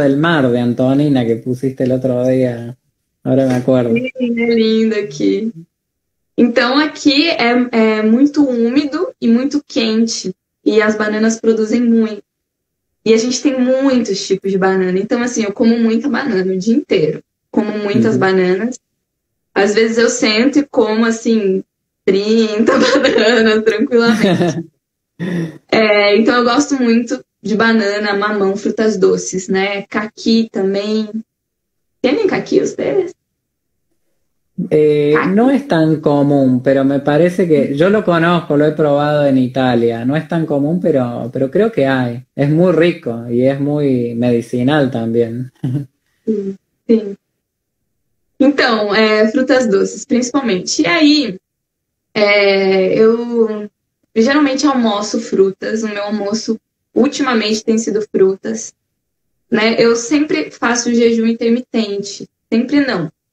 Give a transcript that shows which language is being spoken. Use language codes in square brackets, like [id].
[es] del mar de Antonina que pusiste el otro día. Ahora me acuerdo. [pt] Lindo aqui. Então, aqui é muito úmido e muito quente. E as bananas produzem muito. E a gente tem muitos tipos de banana. Então, assim, eu como muita banana o dia inteiro. como muitas bananas. Às vezes eu sento e como assim 30 bananas tranquilamente. É, então eu gosto muito de banana, mamão, frutas doces, né? Caqui também. Tem caqui vocês? [es] No [pt] Caqui. [es] es tan común, pero me parece que yo lo conozco, lo he probado en Italia. No es tan común, pero creo que hay. Es muy rico y es muy medicinal también. [pt] Sim. Então, frutas doces, principalmente. E aí, eu geralmente almoço frutas. O meu almoço ultimamente tem sido frutas, né? Eu sempre faço jejum intermitente. Sempre não.